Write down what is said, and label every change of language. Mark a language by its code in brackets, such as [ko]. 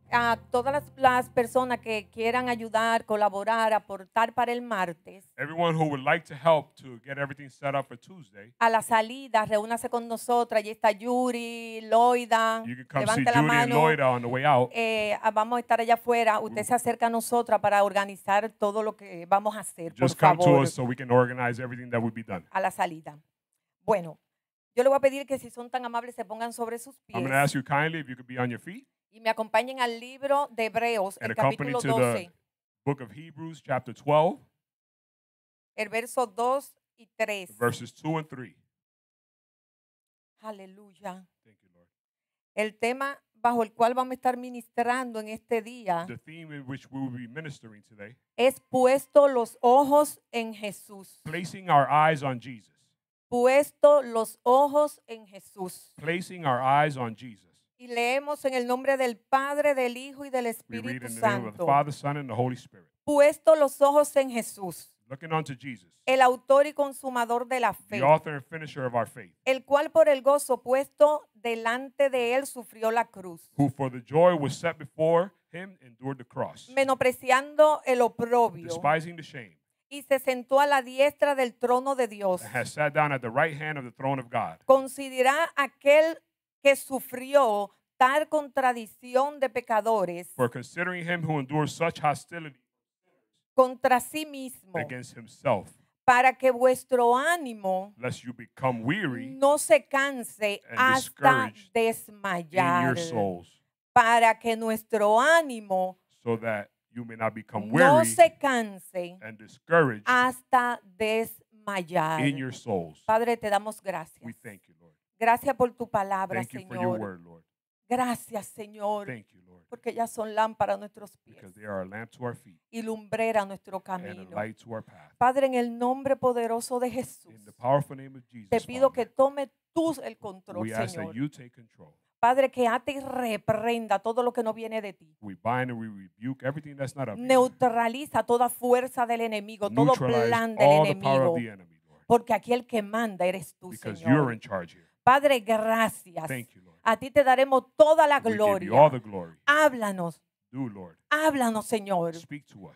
[es] A todas las personas que quieran ayudar, colaborar, aportar para el martes. [en] Everyone who would like to help to get everything set up for Tuesday. [es] A la salida, reúnase con nosotras. Allí está Yuri, Loida. [en] You can come see Yuri and Loida on the way out. [es] Vamos a estar allá afuera. Usted se acerca a nosotras para organizar todo lo que vamos a hacer. [en] Just [es] por favor. [en] Come to us so we can organize everything that would be done. [es] A la salida. Bueno, yo le voy a pedir que si son tan amables se pongan sobre sus pies. [en] I'm going to ask you kindly if you could be on your feet. [es] Y me acompañen al libro de Hebreos, [en] and [es] el capítulo 12. [en] The book of Hebrews, chapter 12. [es] El verso 2 y 3. [en] Verses 2 and 3. [es] Aleluya. [en] Thank you, Lord. [es] El tema bajo el cual vamos a estar ministrando en este día. [en] The theme in which we will be ministering today. [es] Es puesto los ojos en Jesús. [en] Placing our eyes on Jesus. [es] Puesto los ojos en Jesús. [en] Placing our eyes on Jesus. [es] Y leemos en el nombre del Padre, del Hijo y del Espíritu Santo. [en] The Father, Son, and the Holy Spirit. [es] Puesto los ojos en Jesús. [en] Looking unto Jesus. [es] El autor y consumador de la fe. [en] The author and finisher of our faith. [es] El cual por el gozo puesto delante de él sufrió la cruz. [en] Who for the joy was set before him endured the cross. [es] Menospreciando el oprobio. [en] Despising the shame. [es] Y se sentó a la diestra del trono de Dios. [en] And has sat down at the right hand of the throne of God. [es] Considera aquel que sufrió tal contradicción de pecadores. [en] For considering him who endures such hostility. [es] Contra sí mismo. [en] Against himself. [es] Para que vuestro ánimo. [en] Lest you become weary. [es] No se canse hasta desmayar. [en] In your souls. [es] Para que nuestro ánimo. [en] So that you may not become weary. [es] No se canse. [en] And discouraged. [es] Hasta desmayar. [en] In your souls. [es] Padre, te damos gracias. [en] We thank you, Lord. [es] Gracias por tu palabra, [en] Thank [es] Señor. [en] You for your word, Lord. [es] Gracias, Señor. [en] Thank you, Lord. [es] Porque ellas son lámpara a nuestros pies. [en] Because they are a lamp to our feet. [es] Y lumbrera a nuestro camino. [en] And a light to our path. [es] Padre, en el nombre poderoso de Jesús. [en] In the powerful name of Jesus, [es] te pido [en] Father, [es] que tome tú el control, [en] we [es] Señor. [en] We ask that you take control. [es] Padre, que ate y reprenda todo lo que no viene de ti. [en] We bind and we rebuke everything that's not of you. [es] Neutraliza toda fuerza del enemigo, todo plan del [en] all [es] enemigo. [en] The power of the enemy, Lord. [es] Porque aquí el que manda eres tú, [en] Because [es] Señor. [en] Because you're in charge here. [es] Padre, gracias. [en] Thank you, Lord. [es] A ti te daremos toda la [en] We [es] gloria. [en] Give you all the glory. [es] Háblanos. [en] Do, Lord. [es] Háblanos, Señor. [en] Speak to us.